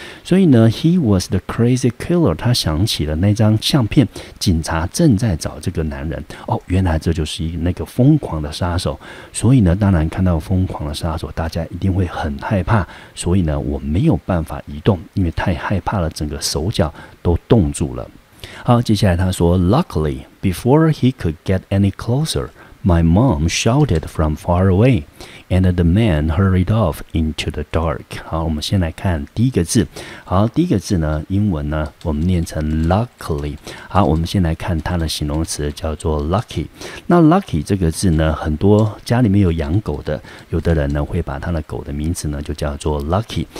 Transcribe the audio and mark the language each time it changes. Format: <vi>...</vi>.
<zh>所以呢</zh> <en>He was the crazy killer，</en> <zh>他想起了那张相片，警察正在找这个男人。哦，原来这就是一个那个疯狂的杀手。所以呢当然看到疯狂的杀手大家一定会很害怕，所以呢我没有办法移动，因为太害怕了，整个手脚都冻住了。好，接下来他说</zh> <en>Luckily, before he could get any closer, my mom shouted from far away, and the man hurried off into the dark.</en> <zh>好，我们先来看第一个字。好，第一个字呢英文呢我们念成 luckily。好，我们先来看它的形容词叫做 lucky。那 lucky 这个字呢，很多家里面有养狗的，有的人呢会把他的狗的名字呢就叫做 lucky。</zh>